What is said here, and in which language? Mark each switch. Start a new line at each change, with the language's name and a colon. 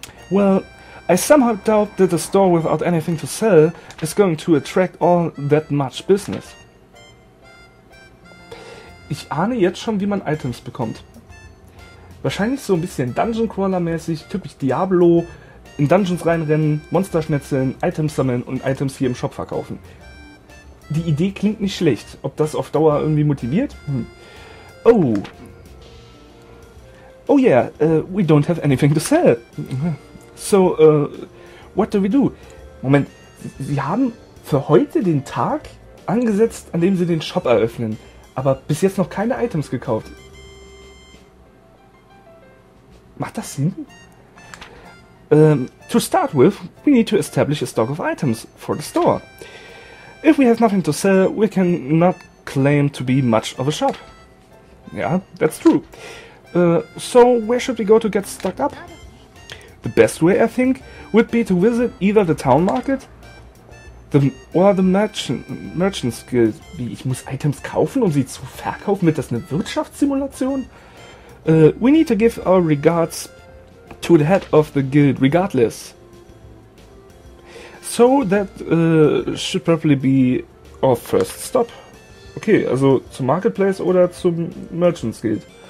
English: Well, I somehow doubt that a store without anything to sell is going to attract all that much business.
German: Ich ahne jetzt schon, wie man Items bekommt. Wahrscheinlich so ein bisschen Dungeon Crawler mäßig, typisch Diablo, in Dungeons reinrennen, Monster schnetzeln, Items sammeln und Items hier im Shop verkaufen. Die Idee klingt nicht schlecht. Ob das auf Dauer irgendwie motiviert? Oh.
English: Oh yeah, we don't have anything to sell. So, what do we do?
German: Moment, sie haben für heute den Tag angesetzt, an dem sie den Shop eröffnen. Aber bis jetzt noch keine Items gekauft. Macht das Sinn?
English: To start with, we need to establish a stock of items for the store. If we have nothing to sell, we can not claim to be much of a shop. Yeah, that's true. So where should we go to get stocked up? The best way, I think, would be to visit either the town market or the merchant's guild.
German: Wie, ich muss Items kaufen, um sie zu verkaufen? Wird das eine Wirtschaftssimulation?
English: We need to give our regards to the head of the guild regardless. So that should probably be our first stop.
German: Okay, also zum Marketplace oder zum Merchant's Guild.